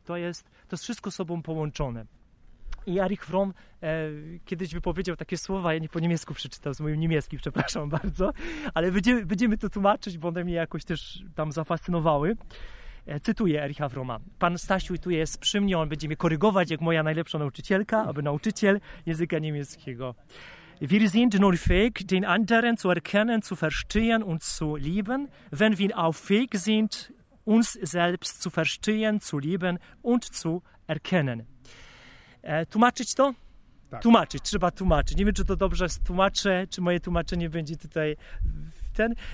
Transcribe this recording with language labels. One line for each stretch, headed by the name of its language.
Polish: To jest wszystko sobą połączone. I Erich Fromm kiedyś wypowiedział takie słowa, ja nie po niemiecku przeczytał, z moim niemieckim, przepraszam bardzo, ale będziemy to tłumaczyć, bo one mnie jakoś też tam zafascynowały. Cytuję Ericha Fromma. Pan Stasiu tu jest przy mnie, on będzie mnie korygować jak moja najlepsza nauczycielka, aby nauczyciel języka niemieckiego.
German: Wir sind nur fähig, den anderen zu erkennen, zu verstehen und zu lieben, wenn wir auch fähig sind, uns selbst zu verstehen, zu lieben und zu erkennen.
Polish: Tłumaczyć to? Tak. Tłumaczyć, trzeba tłumaczyć. Nie wiem, czy to dobrze tłumaczę, czy moje tłumaczenie będzie tutaj ten.